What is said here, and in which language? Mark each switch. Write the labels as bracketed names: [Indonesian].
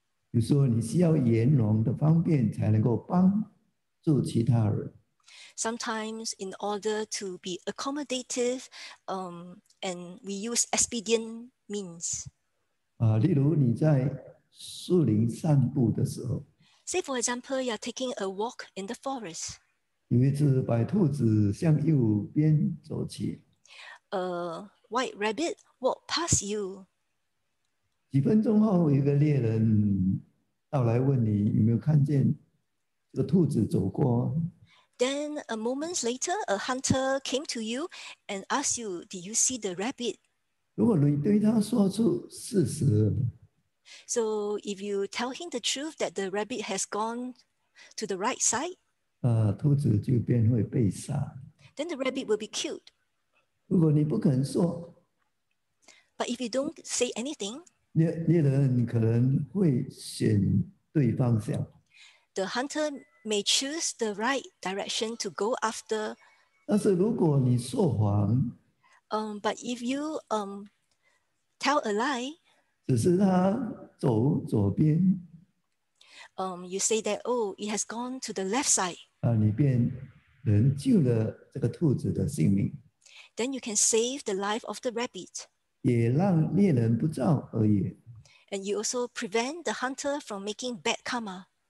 [Chinese] 比如说你需要圆融的方便才能够帮助其他人。 [English] Sometimes in order to be accommodative, and we use expedient means. [Chinese] 例如你在 树林散步的时候, [English] say for example, you are taking a walk in the forest. [Chinese] 有一只白兔子向右边走去, [English] a white rabbit walked past you. [Chinese] 几分钟后，一个猎人到来问你有没有看见这个兔子走过。 [English] Then a moment later, a hunter came to you and asked you, "Did you see the rabbit?" [Chinese] 如果你对他说出事实, [English] so if you tell him the truth that the rabbit has gone to the right side, then the rabbit will be killed. [Chinese] 如果你不肯说, [English] but if you don't say anything, [Chinese] 猎人可能会选对方向, [English] the hunter may choose the right direction to go after. [Chinese] 但是如果你说谎, [English] but if you tell a lie, [Chinese] 只是他走左边, [English] you say that, oh, it has gone to the left side. [Chinese] 你便能救了这个兔子的性命。 [English] Then you can save the life of the rabbit. [Chinese] 也让猎人不照而已。 [English] And you also prevent the hunter from making bad karma.